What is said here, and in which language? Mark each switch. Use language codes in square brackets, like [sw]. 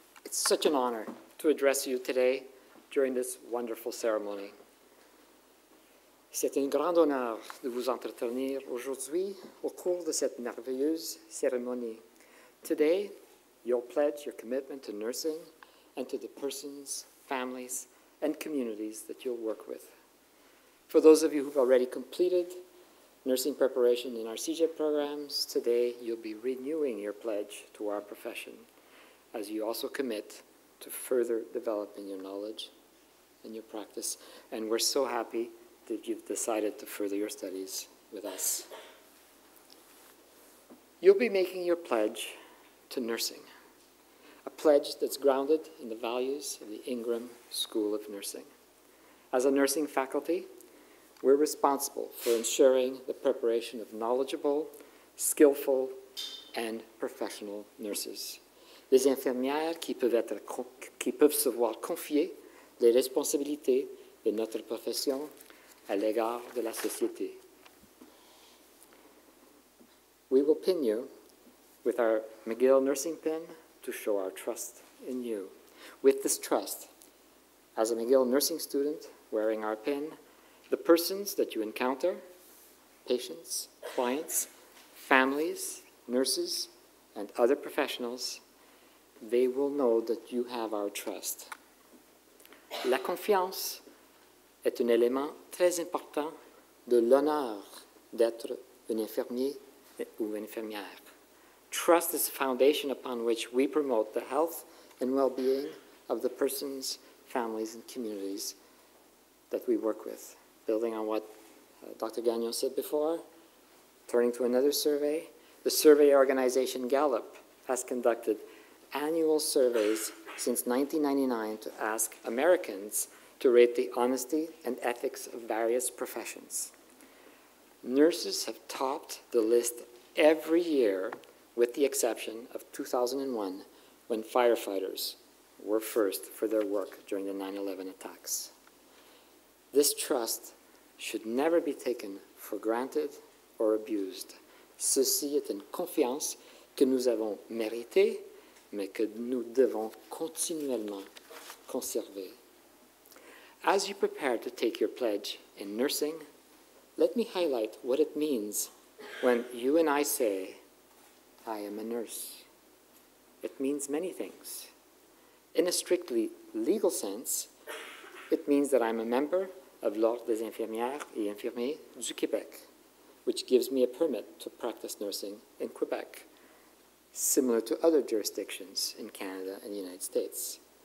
[en] Such an honor to address you today during this wonderful ceremony. [fr] C'est un grand honneur de vous entretenir aujourd'hui au cours de cette merveilleuse cérémonie. [en] Today, your pledge, your commitment to nursing and to the persons, families, and communities that you'll work with. For those of you who've already completed nursing preparation in our CJEP programs, today you'll be renewing your pledge to our profession as you also commit to further developing your knowledge and your practice. And we're so happy that you've decided to further your studies with us. You'll be making your pledge to nursing, a pledge that's grounded in the values of the Ingram School of Nursing. As a nursing faculty, we're responsible for ensuring the preparation of knowledgeable, skillful, and professional nurses. [fr] Les infirmières qui peuvent se voir confier les responsabilités de notre profession à l'égard de la société. [en] We will pin you with our McGill nursing pin to show our trust in you. With this trust, as a McGill nursing student wearing our pin, the persons that you encounter, patients, clients, families, nurses, and other professionals, they will know that you have our trust. [fr] La confiance est un élément très important de l'honneur d'être un infirmier ou une infirmière. [en] Trust is the foundation upon which we promote the health and well-being of the persons, families, and communities that we work with. Building on what Dr. Gagnon said before, turning to another survey, the survey organization Gallup has conducted annual surveys since 1999 to ask Americans to rate the honesty and ethics of various professions. Nurses have topped the list every year, with the exception of 2001, when firefighters were first for their work during the 9/11 attacks. This trust should never be taken for granted or abused. [fr] Ceci est une confiance que nous avons méritée, mais que nous devons continuellement conserver. [en] As you prepare to take your pledge in nursing, let me highlight what it means when you and I say, I am a nurse. It means many things. In a strictly legal sense, it means that I'm a member of l'Ordre des infirmières et infirmiers du Québec, which gives me a permit to practice nursing in Quebec, similar to other jurisdictions in Canada and the United States.